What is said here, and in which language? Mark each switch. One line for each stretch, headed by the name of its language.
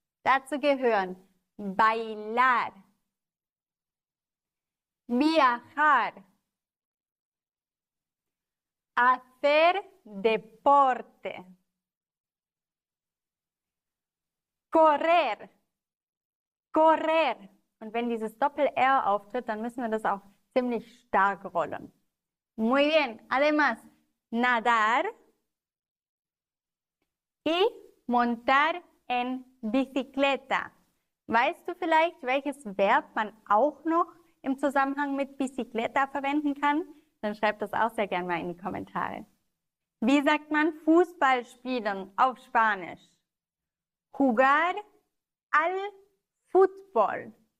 German: Dazu gehören
Spanish: bailar, viajar, hacer deporte, correr. Correr.
German: Und wenn dieses Doppel-R auftritt, dann müssen wir das auch ziemlich stark rollen.
Spanish: Muy bien. Además, nadar y montar en bicicleta.
German: Weißt du vielleicht, welches Verb man auch noch im Zusammenhang mit bicicleta verwenden kann? Dann schreib das auch sehr gerne mal in die Kommentare. Wie sagt man Fußball spielen auf Spanisch?
Spanish: Jugar al Football.